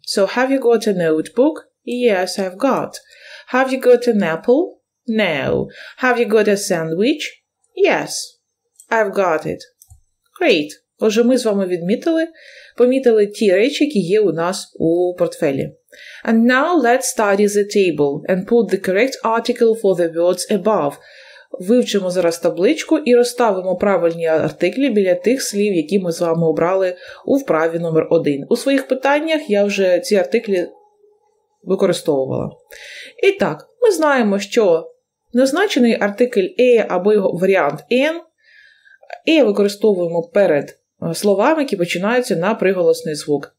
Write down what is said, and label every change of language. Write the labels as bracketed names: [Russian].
[English] So, have you got a notebook? Yes, I've got. Have you got an apple? No. Have you got a sandwich? Yes, I've got it. Great. [Ukrainian] Отже, ми з вами помітили ті речі, які є у нас у портфелі. [English] And now let's study the table and put the correct article for the words above. [Ukrainian] Вивчимо зараз табличку і розставимо правильні артиклі біля тих слів, які ми з вами обрали у вправі номер 1. У своїх питаннях я вже ці артиклі використовувала. І так, ми знаємо, що назначений артикль «е» або його варіант «н» «е» використовуємо перед словами, які починаються на приголосний звук.